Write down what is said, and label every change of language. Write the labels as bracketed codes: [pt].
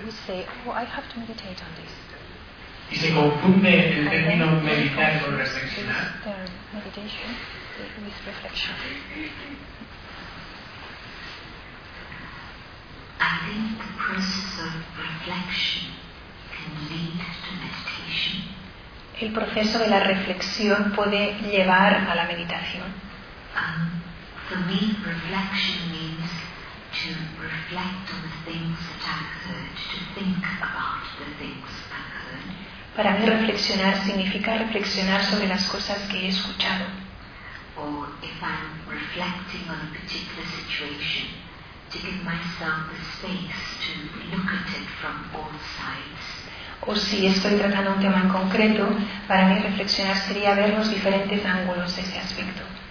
[en] We say, well, I have to meditate on this. [es] y se confunde el término meditar con reflexionar. [en] Meditation with reflection. I think the process of reflection can lead to meditation. [es] El proceso de la reflexión puede llevar a la meditación. [en] For me, reflection means to reflect on the things that I've heard, to think about the things I've heard. [es] Para mí, reflexionar significa reflexionar sobre las cosas que he escuchado. [en] Or if I'm reflecting on a particular situation, to give myself the space to look at it from all sides. [es] O si estoy tratando un tema en concreto, para mí reflexionar sería ver los diferentes ángulos de ese aspecto.